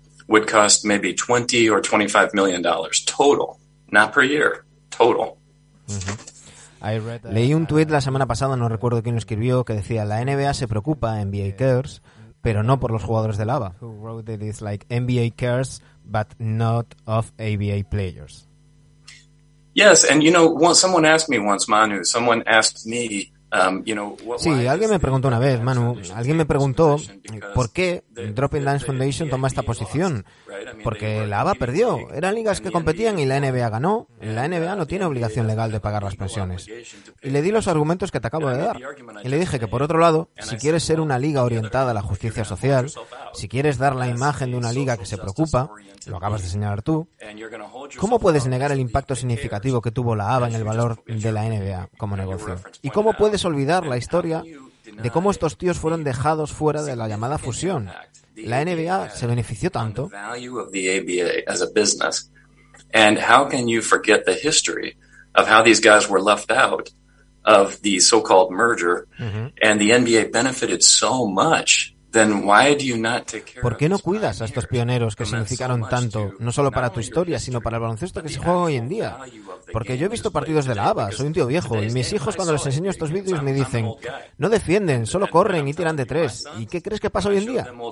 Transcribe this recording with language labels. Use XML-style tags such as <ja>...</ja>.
<en>Would cost maybe 20 or 25 million dollars total, not per year, total.</en> <es>Leí un tuit la semana pasada, no recuerdo quién lo escribió, que decía, la NBA se preocupa,</es> <en>NBA cares,</en> <es>pero no por los jugadores de la ABA.</es> <en>Who wrote it is like, NBA cares, but not of ABA players. Yes, and you know, someone asked me once, Manu, someone asked me, you know, what.</en> <es>Sí, alguien me preguntó una vez, Manu, alguien me preguntó por qué Dropping Dimes Foundation toma esta posición. Porque la ABA perdió, eran ligas que competían y la NBA ganó. La NBA no tiene obligación legal de pagar las pensiones. Y le di los argumentos que te acabo de dar. Y le dije que, por otro lado, si quieres ser una liga orientada a la justicia social, si quieres dar la imagen de una liga que se preocupa, lo acabas de señalar tú, ¿cómo puedes negar el impacto significativo que tuvo la ABA en el valor de la NBA como negocio? ¿Y cómo puedes olvidar la historia de cómo estos tíos fueron dejados fuera de la llamada fusión? La NBA se benefició tanto.</es> <en>The value of the ABA as a business. And how can you forget the history of how these guys were left out of the so-called merger, and the NBA benefited so much. Then why do you not take care of?</en> <es>¿Por qué no cuidas a estos pioneros que significaron tanto, no solo para tu historia, sino para el baloncesto que se juega hoy en día? Porque yo he visto partidos de la ABA, soy un tío viejo, y mis hijos cuando les enseño estos vídeos me dicen, no defienden, solo corren y tiran de tres. ¿Y qué crees que pasa hoy en día?</es>